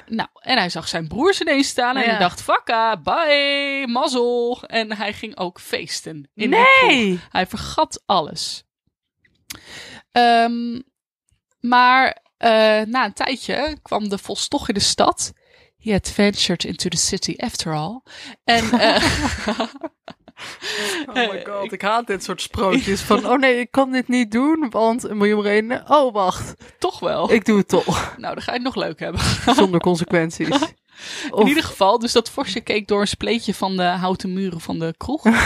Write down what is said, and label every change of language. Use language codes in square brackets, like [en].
[nl] Nou, en hij zag zijn broers ineens staan en hij dacht, fucka, bye, mazzel. En hij ging ook feesten. In nee! De kroeg. Hij vergat alles. Maar na een tijdje kwam de vos toch in de stad... [en] He had ventured into the city after all. [nl] En, [en] oh my god, [nl] ik haat dit soort sprookjes. Van, oh nee, ik kan dit niet doen, want een miljoen redenen. Oh, wacht. Toch wel. Ik doe het toch. Nou, dan ga je het nog leuk hebben. Zonder consequenties. In ieder geval, dus dat vosje keek door een spleetje van de houten muren van de kroeg.